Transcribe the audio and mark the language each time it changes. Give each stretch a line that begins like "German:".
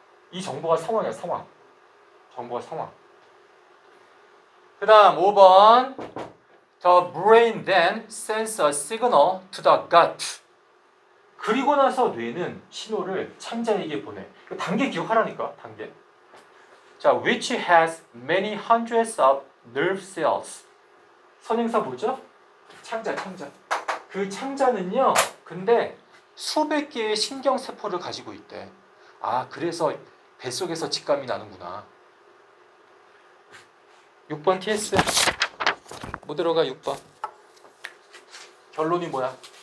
Korean: 이 정보가 상황이야, 상황. 정보가 상황. 그 다음 5번.
English: The brain then sends a signal to the gut.
Korean: 그리고 나서 뇌는 신호를 창자에게 보내. 단계 기억하라니까, 단계. 자,
English: which has many hundreds of nerve cells.
Korean: 선행사 뭐죠? 창자, 창자. 그 창자는요, 근데 수백 개의 신경세포를 가지고 있대. 아, 그래서 뱃속에서 직감이 나는구나. 6번 TS. 못 들어가, 6번. 결론이 뭐야?